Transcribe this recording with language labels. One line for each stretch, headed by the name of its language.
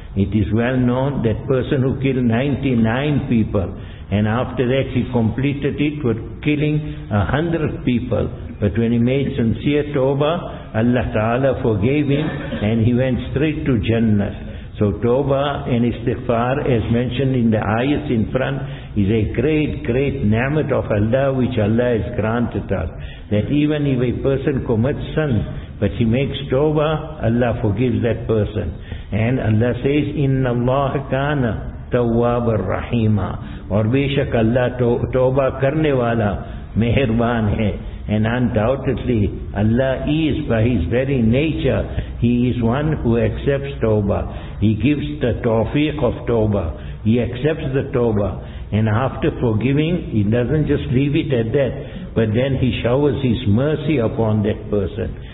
English: It is well known that person who killed 99 people and after that he completed it with killing 100 people, but when he made sincere tawbah, Allah Ta'ala forgave him and he went straight to Jannah. So tawbah and istighfar, as mentioned in the ayats in front, is a great, great ni'mat of Allah which Allah has granted us. That even if a person commits sins, but he makes tawbah, Allah forgives that person. And Allah says,
Arabic: إِنَّ اللَّهَ كَانَ تَوَّابَ الرَّحِيمًا
Urdu: اور بے شک اللہ توبہ کرنے والا مہربان ہے.
English: And undoubtedly, Allah is, by His very nature, He is one who accepts tawbah. He gives the tawfiq of tawbah. He accepts the tawbah. And after forgiving, He doesn't just leave it at that, but then He showers His mercy upon that person.